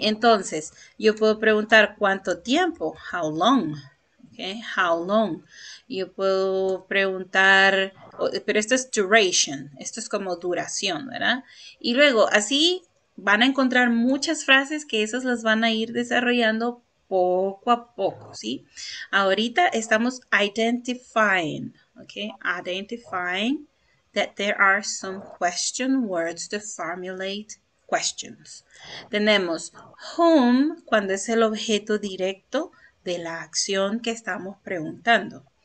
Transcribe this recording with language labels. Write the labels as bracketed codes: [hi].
[es] Entonces, yo puedo preguntar cuánto tiempo, [en] how long. Okay? How long. [es] Yo puedo preguntar, pero esto es duration, esto es como duración, ¿verdad? Y luego, así van a encontrar muchas frases que esas las van a ir desarrollando poco a poco, ¿sí? Ahorita estamos [en] identifying, okay? Identifying that there are some question words to formulate questions. [es] Tenemos whom, cuando es el objeto directo de la acción que estamos preguntando.